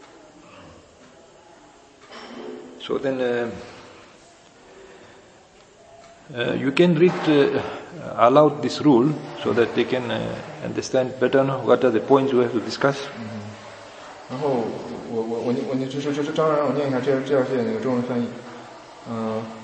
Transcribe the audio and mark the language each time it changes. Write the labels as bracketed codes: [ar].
[zh] 一个出家人以获得物质回报的动机，那个向在家人散发的任何那个物质礼物，都被这条戒所包括。So [en] then, you can read aloud this rule so that they can understand better what are the points we have to discuss. [zh] 然后我就是张然，我念一下这条戒那个中文翻译，嗯。